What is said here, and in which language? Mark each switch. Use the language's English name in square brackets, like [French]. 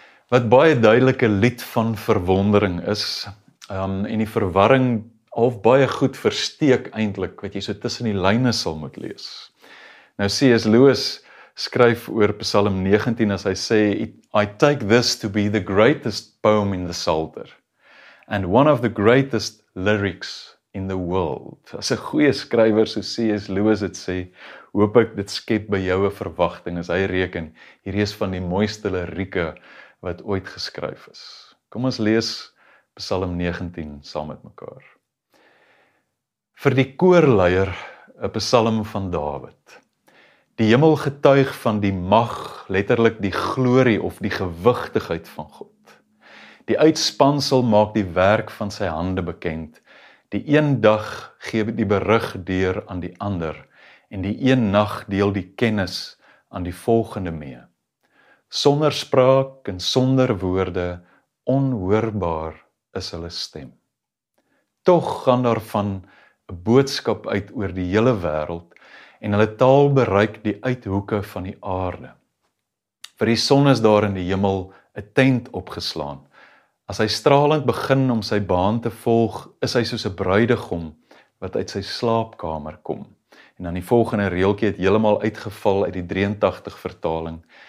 [Afrikaans] Wat baie duidelike lied van verwondering is, en die verwarring half baie goed versteek eintlik, wat jy so tussen die lyne sal moet lees. Nou C.S. Lewis skryf oor Psalm 19 as hy sê, [English] I take this to be the greatest poem in the Psalter and one of the greatest lyrics in the world. [Afrikaans] As 'n goeie skrywer so C.S. Lewis het sê, hoop ek dit skep by jou 'n verwagting as hy reken, hierdie is van die mooiste lirieke wat ooit geskryf is. Kom ons lees Psalm 19 saam met mekaar. Vir die koorleier, 'n Psalm van Dawid. Die hemel getuig van die mag, letterlik die glorie of die gewigtigheid van God. Die uitspansel maak die werk van sy hande bekend. Die een dag gee die berig deur aan die ander en die een nag deel die kennis aan die volgende mee. Sonder spraak en sonder woorde, onhoorbaar is hulle stem. Toch gaan daarvan 'n boodskap uit oor die hele wêreld en hulle taal bereik die uithoeke van die aarde. Vir die son is daar in die hemel 'n tent opgeslaan. As hy stralend begin om sy baan te volg, is hy soos 'n bruidegom wat uit sy slaapkamer kom. En dan die volgende reeltjie het heeltemal uitgeval uit die 83 vertaling.